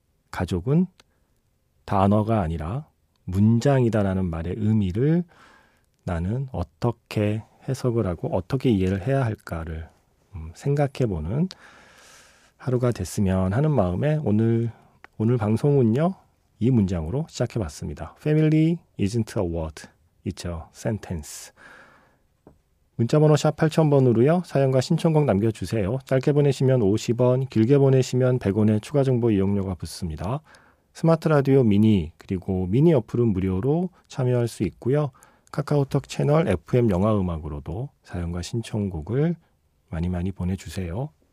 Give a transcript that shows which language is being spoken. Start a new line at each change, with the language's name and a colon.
Korean: 가족은 단어가 아니라 문장이다라는 말의 의미를 나는 어떻게 해석을 하고 어떻게 이해를 해야 할까를 생각해 보는 하루가 됐으면 하는 마음에 오늘 방송은요. 이 문장으로 시작해봤습니다.
English: Family isn't a word, it's a sentence.
Korean: 문자번호 샵 8000번으로요. 사연과 신청곡 남겨주세요. 짧게 보내시면 50원, 길게 보내시면 100원의 추가 정보 이용료가 붙습니다. 스마트 라디오 미니, 그리고 미니 어플은 무료로 참여할 수 있고요. 카카오톡 채널 FM 영화음악으로도 사연과 신청곡을 많이 많이 보내주세요.